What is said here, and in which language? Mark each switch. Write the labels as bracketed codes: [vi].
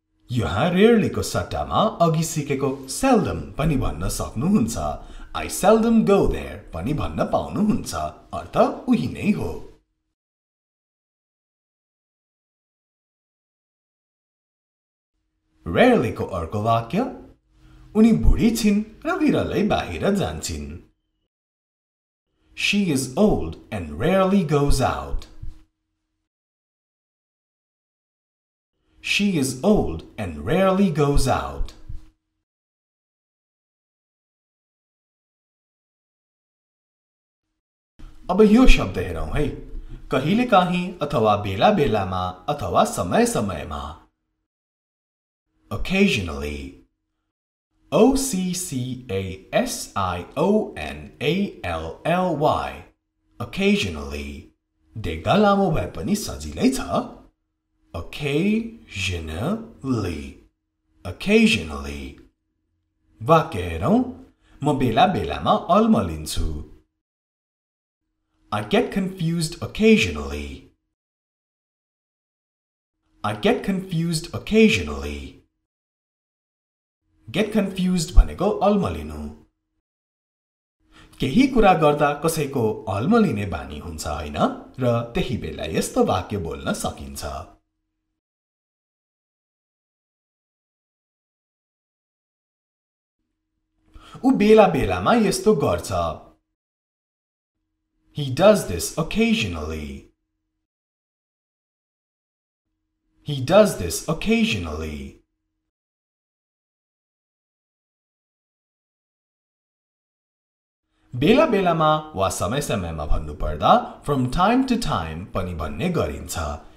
[ne] यहाँ rarely को सट्टामा अघि सिकेको seldom पनि भन्न सक्नुहुन्छ. [en] I seldom go there [ne] पनि भन्न पाउनुहुन्छ. अर्थ उही नै हो. Rarely को अर्को वाक्य उनी बुढी छिन् र विरलै बाहिर जान्छिन्. [en] She is old and rarely goes out. She is old and rarely goes out. [ne] अब यो शब्द हेरौं है कहिले काहीँ अथवा बेला बेलामा अथवा समय समयमा [en] Occasionally. O-C-C-A-S-I-O-N-A-L-L-Y. Occasionally. [ne] देख्दा लामो भए पनि सजिलै छ. [en] Occasionally. Occasionally. [ne] वा कहरौं म बेला बेलामा अल्मलिन्छु [en] I get confused occasionally. I get confused occasionally. [ne] Get confused भनेको अल्मलिनु केही कुरा गर्दा कसैको अल्मलिने बानी हुन्छ हैन र त्यही बेला यस्तो वाक्य बोल्न सकिन्छ उ बेला बेलामा यस्तो गर्छ [en] He does this occasionally. He does this occasionally. [ne] Bela bela ma wa samay samay ma bhannu parda [en] from time to time [ne] pani bhanne garincha.